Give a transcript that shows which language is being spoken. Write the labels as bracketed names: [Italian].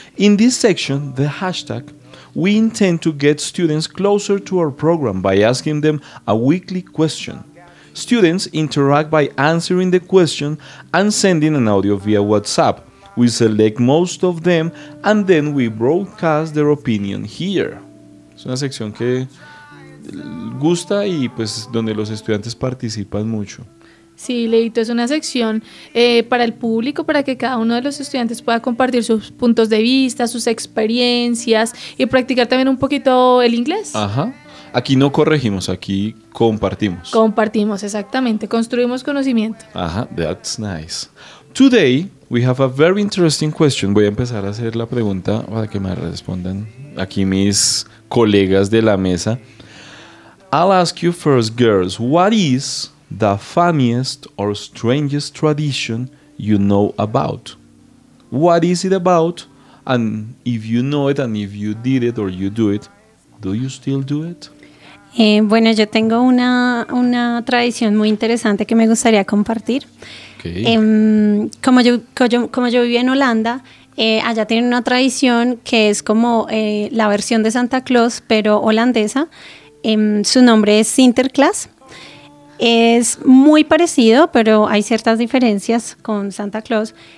[English] In this section, the hashtag, we intend to get students closer to our program by asking them a weekly question. Students interact by answering the question and sending an audio via WhatsApp. We select most of them and then we broadcast their opinion here. [Spanish] Es una sección que gusta y pues donde los estudiantes participan mucho. Sí, Leito, es una sección para el público, para que cada uno de los estudiantes pueda compartir sus puntos de vista, sus experiencias y practicar también un poquito el inglés. Ajá. Aquí no corregimos, aquí compartimos. Compartimos, exactamente. Construimos conocimiento. [English] Ajá, that's nice. Today, we have a very interesting question. [Spanish] Voy a empezar a hacer la pregunta para que me respondan aquí mis colegas de la mesa. [English] I'll ask you first, girls, what is the funniest or strangest tradition you know about. What is it about? And if you know it and if you did it or you do it, do you still do it? [Spanish] Bueno, yo tengo una tradición muy interesante que me gustaría compartir. [English] Okay. [Spanish] Como yo viví en Holanda, allá tienen una tradición que es como la versión de Santa Claus, pero holandesa. Su nombre es Sinterklaas. Es muy parecido, pero hay ciertas diferencias con Santa Claus.